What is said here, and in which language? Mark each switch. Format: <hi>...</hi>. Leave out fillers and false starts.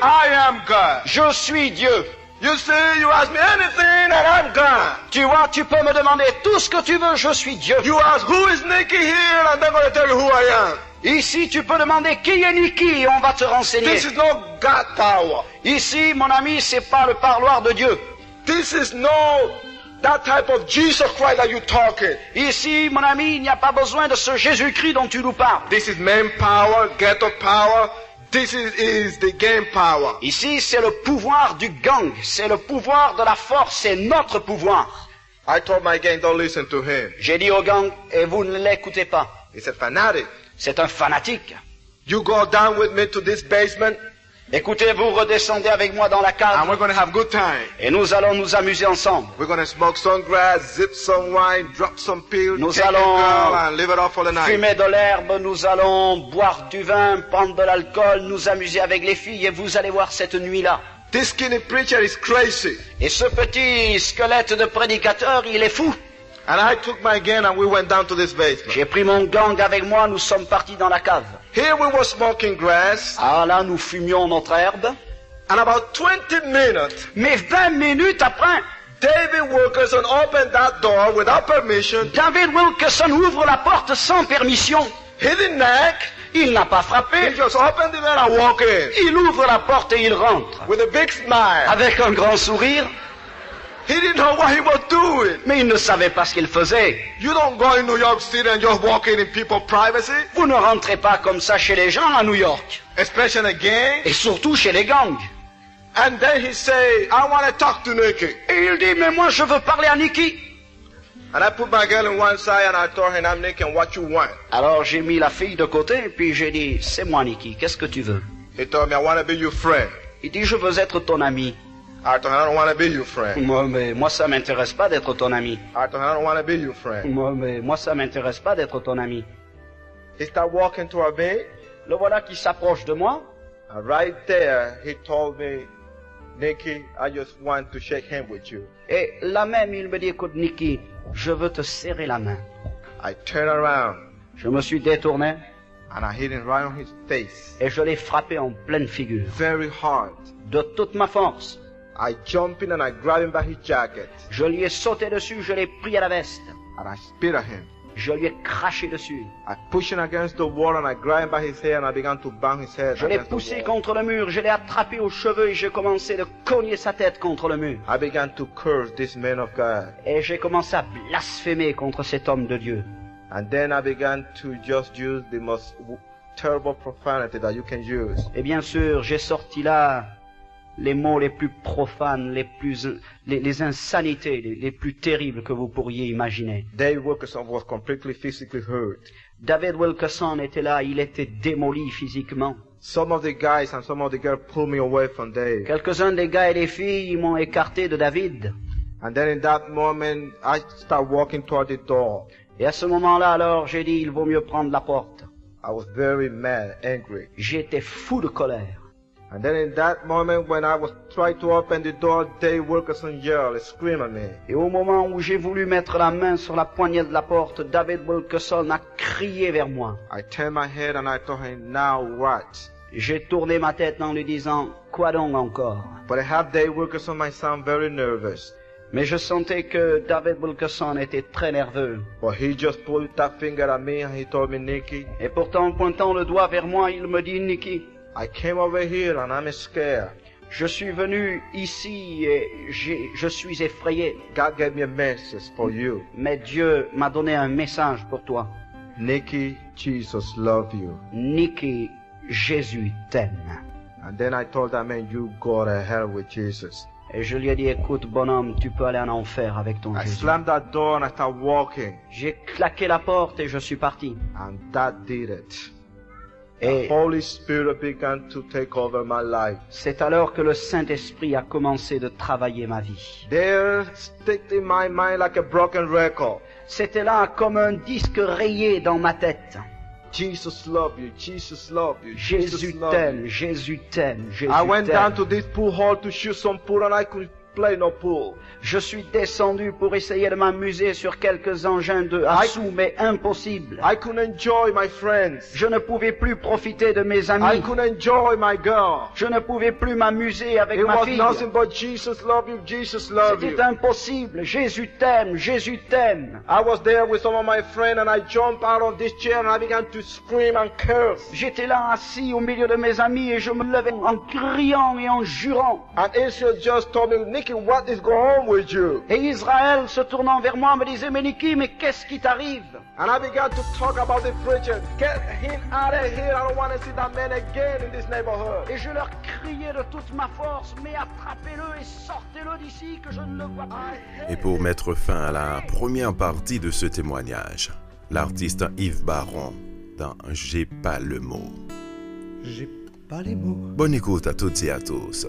<en>I am God.</en> <fr>Je suis Dieu.</fr> <en>You see, you ask me anything and I'm God.</en> <fr>Tu vois, tu peux me demander tout ce que tu veux, je suis Dieu.</fr> <en>You ask who is Nikki here and I'm going to tell you who I am.</en> <fr>Ici, tu peux demander qui est Nikki et on va te renseigner.</fr> <en>This is no God tower.</en> <fr>Ici, mon ami, c'est pas le parloir de Dieu.</fr> <en>This is no that type of Jesus Christ that you talk it.</en> <fr>Ici, mon ami, il n'y a pas besoin de ce Jésus-Christ dont tu nous parles.</fr> <en>This is man power, ghetto power. This is the gang power.</en> <fr>Ici, c'est le pouvoir du gang. C'est le pouvoir de la force. C'est notre pouvoir.</fr> <en>I told my gang, don't listen to him.</en> <fr>J'ai dit au gang, et vous ne l'écoutez pas.</fr> <en>He's a fanatic.</en> <fr>C'est un fanatique.</fr> <en>You go down with me to this basement.</en> <fr>Écoutez, vous redescendez avec moi dans la cave.</fr> <en>And we're going to have good time.</en> <fr>Et nous allons nous amuser ensemble.</fr> <en>We're going to smoke some grass, zip some wine, drop some pills.</en> <fr>Nous allons fumer de l'herbe, nous allons boire du vin, prendre de l'alcool, nous amuser avec les filles et vous allez voir cette nuit-là.</fr> <en>This skinny preacher is crazy.</en> <fr>Et ce petit squelette de prédicateur, il est fou.</fr> <en>And I took my gang and we went down to this basement.</en> <fr>J'ai pris mon gang avec moi, nous sommes partis dans la cave.</fr> <en>Here we were smoking grass.</en> <fr>Ah là, nous fumions notre herbe.</fr> <en>And about 20 minutes.</en> <fr>Mais 20 minutes après,</fr> <en>David Wilkerson opened that door without permission.</en> <fr>David Wilkerson ouvre la porte sans permission.</fr> <en>He didn't knock.</en> <fr>Il n'a pas frappé.</fr> <en>He just opened it and I walk in.</en> <fr>Il ouvre la porte et il rentre.</fr> <en>With a big smile.</en> <fr>Avec un grand sourire.</fr> <en>He didn't know what he was doing.</en> <fr>Mais il ne savait pas ce qu'il faisait.</fr> <en>You don't go in New York City and just walk in people's privacy.</en> <fr>Vous ne rentrez pas comme ça chez les gens à New York.</fr> <en>Especially in a gang.</en> <fr>Et surtout chez les gangs.</fr> <en>And then he say, I want to talk to Nikki.</en> <fr>Et il dit, mais moi je veux parler à Nikki.</fr> <en>And I put my girl in one side and I told her, I'm Nikki, what you want?</en> <fr>Alors j'ai mis la fille de côté et puis j'ai dit, c'est moi Nikki, qu'est-ce que tu veux?</fr> <en>He told me, I want to be your friend.</en> <fr>Il dit, je veux être ton ami.</fr> <en>Arthur, I don't want to be your friend.</en> <fr>Moi, ça m'intéresse pas d'être ton ami.</fr> <en>Arthur, I don't want to be your friend.</en> <fr>Moi, ça m'intéresse pas d'être ton ami.</fr> <en>He start walking to our bed.</en> <fr>Le voilà qui s'approche de moi.</fr> <en>And right there, he told me, Nikki, I just want to shake hands with you.</en> <fr>Et là même, il me dit, écoute, Nikki, je veux te serrer la main.</fr> <en>I turn around.</en> <fr>Je me suis détourné.</fr> <en>And I hit him right on his face.</en> <fr>Et je l'ai frappé en pleine figure.</fr> <en>Very hard.</en> <fr>De toute ma force.</fr> <en>I jump in and I grab him by his jacket.</en> <fr>Je lui ai sauté dessus, je l'ai pris à la veste.</fr> <en>And I spit at him.</en> <fr>Je lui ai craché dessus.</fr> <en>I push him against the wall and I grab him by his hair and I began to bang his head.</en> <fr>Je l'ai poussé contre le mur, je l'ai attrapé aux cheveux et j'ai commencé de cogner sa tête contre le mur.</fr> <en>I began to curse this man of God.</en> <fr>Et j'ai commencé à blasphémer contre cet homme de Dieu.</fr> <en>And then I began to just use the most terrible profanity that you can use.</en> <fr>Et bien sûr, j'ai sorti là les mots les plus profanes, les insanités, les plus terribles que vous pourriez imaginer.</fr> <en>David Wilkerson was completely physically hurt.</en> <fr>David Wilkerson était là, il était démoli physiquement.</fr> <en>Some of the guys and some of the girls pulled me away from Dave.</en> <fr>Quelques-uns des gars et des filles ils m'ont écarté de David.</fr> <en>And then in that moment, I started walking toward the door.</en> <fr>Et à ce moment-là, alors, j'ai dit, il vaut mieux prendre la porte.</fr> <en>I was very mad, angry.</en> <fr>J'étais fou de colère.</fr> <en>And then in that moment when I was trying to open the door, Dave Wilkerson yelled, screamed at me.</en> <fr>Et au moment où j'ai voulu mettre la main sur la poignée de la porte, David Wilkerson a crié vers moi.</fr> <en>I turned my head and I told him, now what?</en> <fr>J'ai tourné ma tête en lui disant, quoi donc encore?</fr> <en>But I had Dave Wilkerson, my son, very nervous.</en> <fr>Mais je sentais que David Wilkerson était très nerveux.</fr> <en>But he just pulled that finger at me and he told me, Nikki.</en> <fr>Et pourtant, en pointant le doigt vers moi, il me dit, Nikki.</fr> <en>I came over here and I'm scared.</en> <fr>Je suis venu ici et je suis effrayé.</fr> <en>God gave me a message for you.</en> <fr>Mais Dieu m'a donné un message pour toi.</fr> <en>Nikki, Jesus loves you.</en> <fr>Nikki, Jésus t'aime.</fr> <en>And then I told that man, you go to hell with Jesus.</en> <fr>Et je lui ai dit, écoute, bonhomme, tu peux aller en enfer avec ton Jésus.</fr> <en>I slammed that door and I started walking.</en> <fr>J'ai claqué la porte et je suis parti.</fr> <en>And that did it. The Holy Spirit began to take over my life.</en> <fr>C'est alors que le Saint-Esprit a commencé de travailler ma vie.</fr> <en>There sticked in my mind like a broken record.</en> <fr>C'était là comme un disque rayé dans ma tête.</fr> <en>Jesus love you, Jesus love you,</en> <fr>Jésus t'aime, Jésus t'aime, Jésus t'aime.</fr> <en>I went down to this pool hall to shoot some pool and I could play no pool.</en> <fr>Je suis descendu pour essayer de m'amuser sur quelques engins de assou, mais impossible.</fr> <en>I couldn't enjoy my friends.</en> <fr>Je ne pouvais plus profiter de mes amis.</fr> <en>I couldn't enjoy my girl.</en> <fr>Je ne pouvais plus m'amuser avec</fr> <en>It</en> <fr>ma fille.</fr> <en>It was nothing but Jesus love you, Jesus love</en> <fr>C'était</fr> <en>you.</en> <fr>C'était impossible. Jésus t'aime, Jésus t'aime.</fr> <en>I was there with some of my friends and I jumped out of this chair and I began to scream and curse.</en> <fr>J'étais là assis au milieu de mes amis et je me levais en criant et en jurant.</fr> <en>And Israel just told me, Nicky, what is going on with you?</en> <fr>Et Israël se tournant vers moi me disait, mais Nicky, mais qu'est-ce qui t'arrive?</fr> <en>And I began to talk about the preacher. Get him out of here. I don't want to see that man again in this neighborhood.</en> <fr>Et je leur criais de toute ma force, mais attrapez-le et sortez-le d'ici que je ne le vois pas. Et pour mettre fin à la première partie de ce témoignage, l'artiste Yves Baron dans J'ai pas le mot. J'ai pas les mots. Bonne écoute à toutes et à tous.</fr>